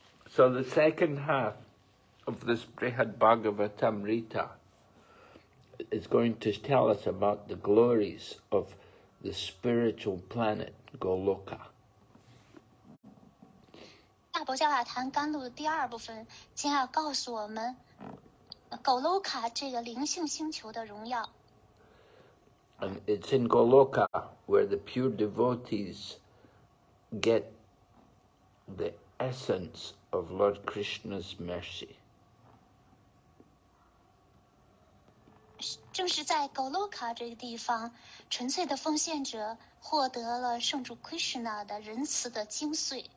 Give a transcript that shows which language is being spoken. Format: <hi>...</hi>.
<en>So the second half of this Brihad Bhagavatamrita is going to tell us about the glories of the spiritual planet Goloka.</en> <zh>大伯加尔堂甘露的第二部分将要告诉我们 Goloka 这个灵性星球的荣耀.</zh> <en>And it's in Goloka where the pure devotees get the essence of Lord Krishna's mercy.</en> <zh>正是在 Goloka 这个地方，纯粹的奉献者获得了圣主 Krishna 的仁慈的精髓。</zh>